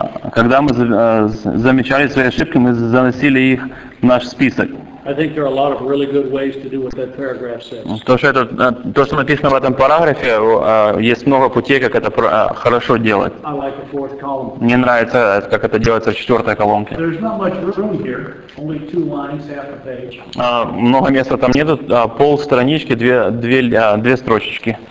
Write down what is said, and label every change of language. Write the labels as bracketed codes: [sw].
[ru] Когда мы замечали свои ошибки, мы заносили их в наш список. [en] I think there are a lot of really good ways to do what that paragraph says. [ru] Потому что это, то, что написано в этом параграфе, есть много путей, как это хорошо делать. [en] I like the fourth column. [ru] Мне нравится, как это делается в четвертой колонке. [en] There's not much room here, only two lines, half a page. [ru] Много места там нету, пол странички, две строчечки.